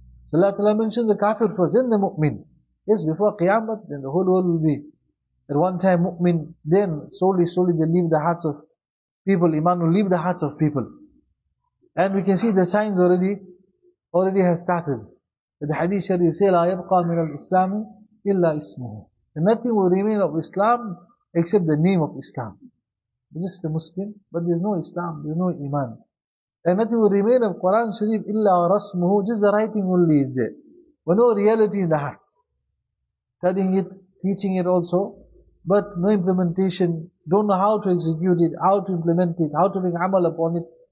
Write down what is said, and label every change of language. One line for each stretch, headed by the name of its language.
English: So Allah ta'ala mentions the kafir first and the mu'min. Yes, before qiyamah, then the whole world will be at one time mu'min, then slowly they leave the hearts of people, iman will leave the hearts of people. And we can see the signs already has started.
Arabic: The hadith sharif say, لَا يَبْقَى مِنَ الْإِسْلَامِ إِلَّا إِسْمُهُ.
English: And nothing will remain of Islam except the name of Islam. Just a Muslim, but there's no Islam, there's no iman. And nothing will remain of Quran sharif
Arabic: إِلَّا رَسْمُهُ.
English: Just the writing only is there. But no reality in the hearts. Studying it, teaching it also, but no implementation, don't know how to execute it, how to implement it, how to make amal upon it.